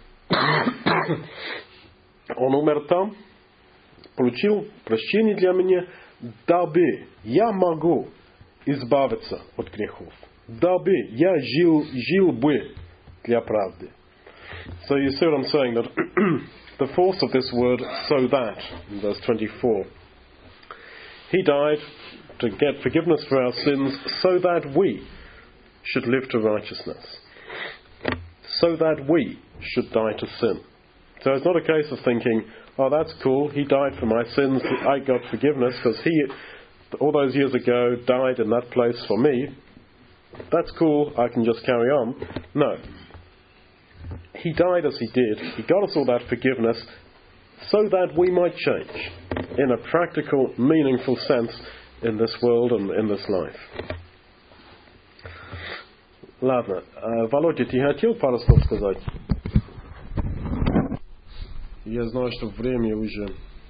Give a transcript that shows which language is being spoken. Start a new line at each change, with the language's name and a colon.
Russian: Он умер там, получил прощение для меня, дабы я могу избавиться от грехов, дабы я жил бы для правды.
English: So you see what I'm saying, that the force of this word, so that, in verse 24, he died to get forgiveness for our sins so that we should live to righteousness, so that we should die to sin. So it's not a case of thinking, oh, that's cool, he died for my sins, I got forgiveness because he, all those years ago, died in that place for me. That's cool, I can just carry on. No. He died as he did. He got us all that forgiveness so that we might change in a practical, meaningful sense in this world and in this life.
Russian: Ладно. Володя, ты хотел пару слов сказать? Я знаю, что время уже...